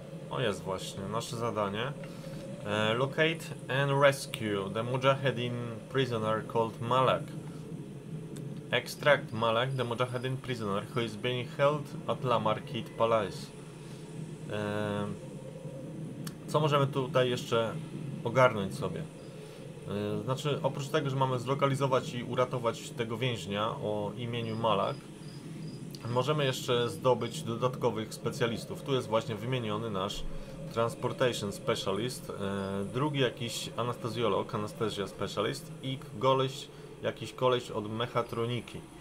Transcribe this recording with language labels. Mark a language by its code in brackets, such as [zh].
[pl] O, jest właśnie, nasze zadanie. [en] Locate and rescue the Mujahedin prisoner called Malak. Extract Malak, the Mujahedin prisoner who is being held at Lamarkit Palace. [pl] Co możemy tutaj jeszcze ogarnąć sobie? Znaczy, oprócz tego, że mamy zlokalizować i uratować tego więźnia o imieniu Malak, możemy jeszcze zdobyć dodatkowych specjalistów. Tu jest właśnie wymieniony nasz Transportation Specialist, drugi jakiś anestezjolog, Anestezja Specialist i goleś, jakiś koleś od mechatroniki.